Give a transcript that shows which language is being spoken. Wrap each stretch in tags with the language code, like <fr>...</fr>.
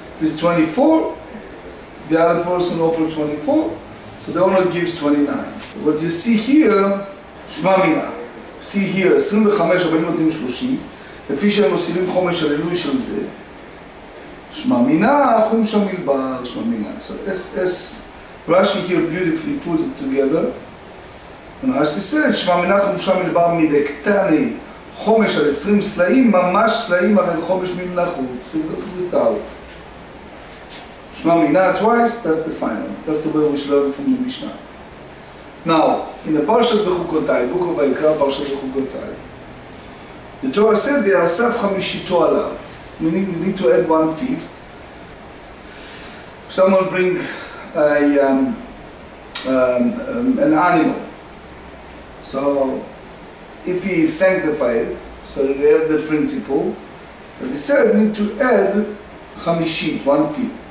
<en>If it's 24, the other person offers 24, so the owner gives 29. What you see here,</en> <he>שמע מינה.</he> <en>You see here, 25,</en> <he>הבעלים נותנים 30. לפי שהם מוסיפים חומש על עילוי של זה, שמע מינה, חומש המלבר, שמע מינה.</he> <en>So, as Rashi here beautifully put it together, and Rashi said,</en> <he>שמע מינה, חומש המלבר מדקטני, חומש על 20 סלעים, ממש סלעים, הרי חומש מלחוץ.</he> <en>So, that's without. שמע מינה, twice, that's the final. That's the way we should learn from the Mishnah. Now, in the Parshat בחוקותיי, Book of Vayikra, Parshat בחוקותיי, the Torah said,</en> <he>"Ve'asav chamishito alav."</he> <en>Meaning, you need to add one-fifth. If someone bring an animal, so if he sanctify it, so they have the principle, but he said, "Need to add chamishit, one-fifth."</en>